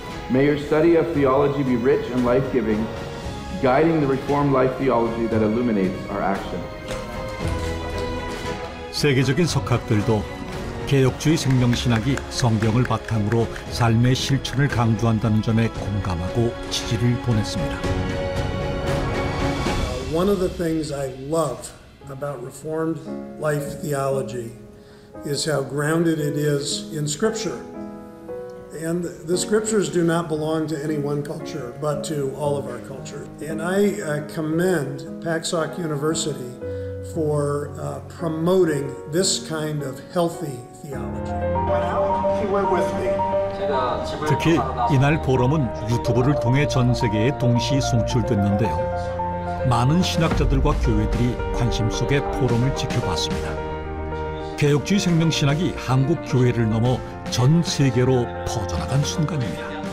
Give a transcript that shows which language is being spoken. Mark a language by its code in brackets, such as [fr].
[en] May your study of theology be rich and life-giving, guiding the reformed life theology that illuminates our action. [ko] 세계적인 석학들도 개혁주의 생명신학이 성경을 바탕으로 삶의 실천을 강조한다는 점에 공감하고 지지를 보냈습니다. [en] One of the things I love about Reformed life theology is how grounded it is in Scripture. And the Scriptures do not belong to any one culture, but to all of our culture. And I commend Paksok University for promoting this kind of healthy theology. He went with me. [ko] 특히 이날 포럼은 유튜브를 통해 전 세계에 동시 송출됐는데요. 많은 신학자들과 교회들이 관심 속에 포럼을 지켜봤습니다. 개혁주의 생명신학이 한국 교회를 넘어 전 세계로 퍼져나간 순간입니다.